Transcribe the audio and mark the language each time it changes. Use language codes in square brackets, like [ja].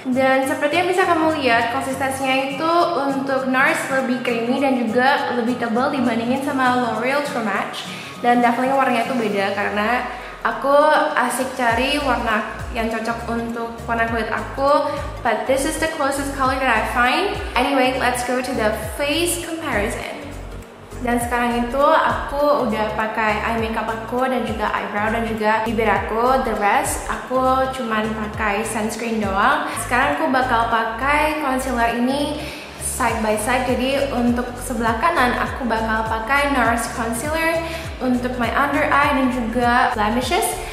[id] Dan seperti yang bisa kamu lihat, konsistensinya itu untuk NARS lebih creamy dan juga lebih tebal dibandingin sama L'Oreal True Match. Dan definitely warnanya tuh beda karena aku asik cari warna yang cocok untuk warna kulit aku. [en] But this is the closest color that I find. Anyway, let's go to the face comparison. [id] Dan sekarang itu aku udah pakai eye makeup aku dan juga eyebrow dan juga bibir aku. [en] The rest [id] aku cuman pakai sunscreen doang. Sekarang aku bakal pakai concealer ini side by side. Jadi untuk sebelah kanan aku bakal pakai NARS concealer untuk [en] my under eye [id] dan juga blemishes.